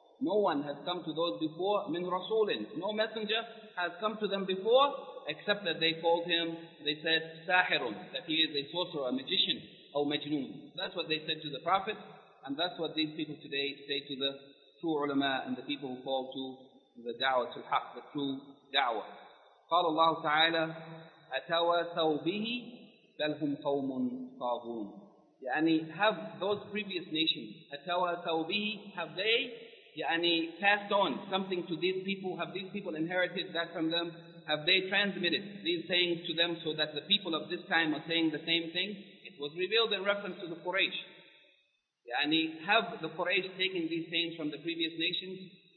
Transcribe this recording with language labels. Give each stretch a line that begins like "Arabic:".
English: No one has come to those before
Arabic: مِنْ رَسُولٍ.
English: No messenger has come to them before, except that they called him, they said, sahirun, that he is a sorcerer, a magician, or majnoon. That's what they said to the Prophet, and that's what these people today say to the true ulama and the people who call to the da'wah to al-haq, the true da'wah.
Arabic: قال الله تعالى, أتواثوا به بل هم قوم طاغون.
English: يعني, have those previous nations,
Arabic: أتواثوا به,
English: have they, يعني, passed on something to these people, have these people inherited that from them? Have they transmitted these sayings to them so that the people of this time are saying the same thing? It was revealed in reference to the Quraysh. Yani, have the Quraysh taken these sayings from the previous nations?